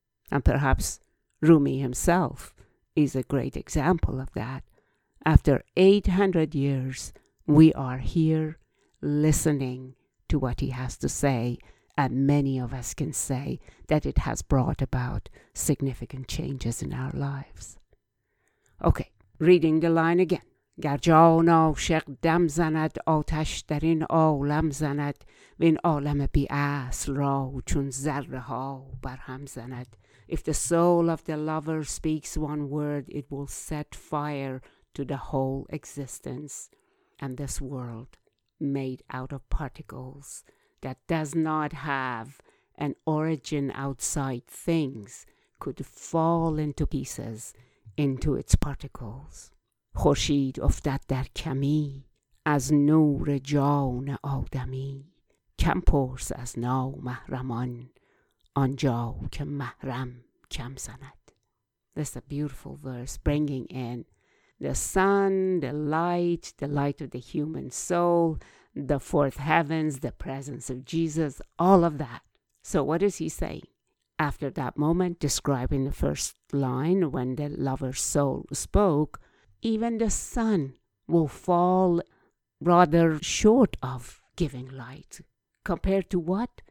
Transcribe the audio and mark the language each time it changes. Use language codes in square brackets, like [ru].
[en] And perhaps Rumi himself is a great example of that. After 800 years, we are here listening to what he has to say, and many of us can say that it has brought about significant changes in our lives. Okay, reading the line again. [fa] گر جان عاشق دم زند آتش در این عالم زند وین عالم بی اصل را چون ذره ها بر هم زند. [en] If the soul of the lover speaks one word, it will set fire to the whole existence and this world made out of particles that does not have an origin outside things could fall into pieces into its particles. [fa] خورشید افتد در کمی از نور جان آدمی. کم پرس از نامحرمان آنجا که محرم کم زند. [en] That's a beautiful verse bringing in the sun, the light of the human soul, the fourth heavens, the presence of Jesus, all of that. So what is he saying? After that moment, describing the first line when the lover's soul spoke, even the sun will fall rather short of giving light. Compared to what?